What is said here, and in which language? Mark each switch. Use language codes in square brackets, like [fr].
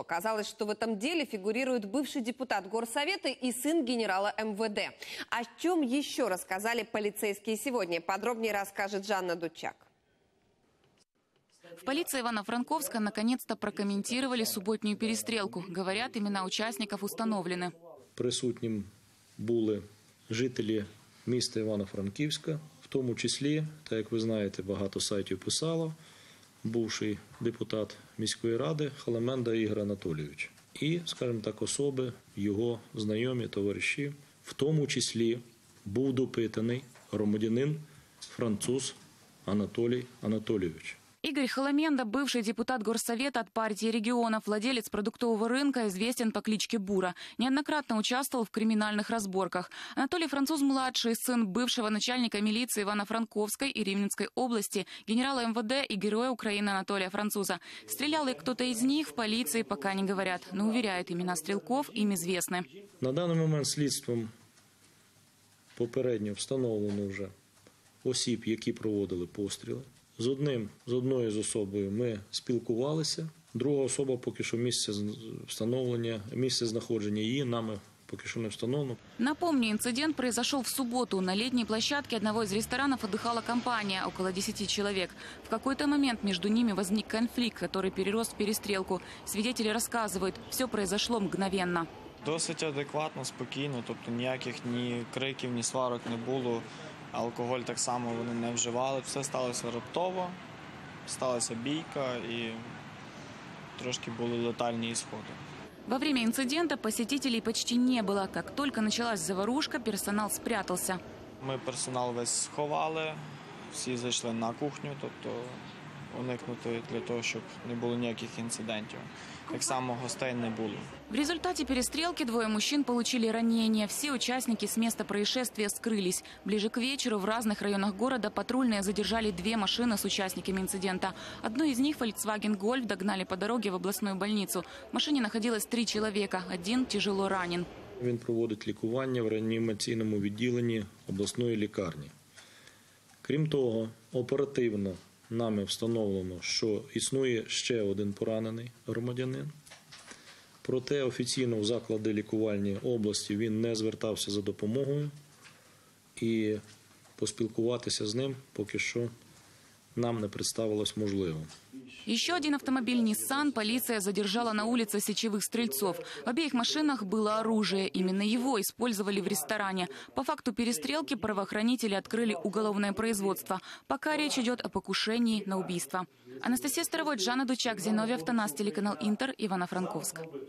[ru] Оказалось, что в этом деле фигурирует бывший депутат горсовета и сын генерала МВД. О чем еще рассказали полицейские сегодня? Подробнее расскажет Жанна Дучак. В полиции Ивано-Франковска наконец-то прокомментировали субботнюю перестрелку. Говорят, имена участников установлены. [uk] Присутнім були жителі міста Івано-Франківська, в тому числі, так як ви знаєте, багато сайтів писало, бувший депутат міської ради Халаменда Ігор Анатолійович. І, скажімо так, особи, його знайомі, товариші, в тому числі був допитаний громадянин француз Анатолій Анатолійович. [ru] Игорь Халаменда, бывший депутат горсовета от партии регионов, владелец продуктового рынка, известен по кличке Бура. Неоднократно участвовал в криминальных разборках. Анатолий Француз-младший, сын бывшего начальника милиции Ивано-Франковской и Рівненской области, генерала МВД и героя Украины Анатолия Француза. Стрелял ли кто-то из них, в полиции пока не говорят, но уверяют, имена стрелков им известны. На данный момент следствием [uk] попередньо встановлено уже осіб, які проводили постріли. З одною з особою ми спілкувалися. Друга особа поки що місце знаходження її нами поки що не встановлено. [ru] Напомню, інцидент произошел в суботу. На летней площадке одного из ресторанов отдыхала компания, около 10 человек. В какой-то момент между ними возник конфликт, который перерос в перестрелку. Свидетели рассказывают, все произошло мгновенно. [uk] Досить адекватно, спокійно, тобто ніяких ні криків, ні сварок не було. Алкоголь так само вони не вживали. Все сталося раптово, сталася бійка і трошки були летальні ісходи. [ru] Во время інцидента посетителей почти не було. [uk] Як тільки почалась заварушка, персонал спрятався. Ми персонал весь сховали, всі зайшли на кухню, тобто уникнути для того, щоб не було ніяких інцидентів. Так само гостей не було. [ru] В результате перестрелки двое мужчин получили ранения. Все участники с места происшествия скрылись. Ближе к вечеру в разных районах города патрульные задержали две машины с участниками инцидента. Одну из них, Volkswagen Golf, догнали по дороге в областную больницу. В машине находилось три человека. Один тяжело ранен. [uk] Він проводить лікування в реанімаційному відділенні обласної лікарні. Крім того, оперативно нами встановлено, що існує ще один поранений громадянин. Проте офіційно в заклади лікувальні області він не звертався за допомогою. І поспілкуватися з ним поки що нам не представилось можливим. [ru] Еще один автомобиль Nissan полиция задержала на улице сечевых стрельцов. В обеих машинах было оружие. Именно его использовали в ресторане. По факту перестрелки правоохранители открыли уголовное производство. Пока речь идет о покушении на убийство. Анастасия Старовой, Жанна Дучак, Зиновий Автонас, телеканал Интер, Ивано-Франковск.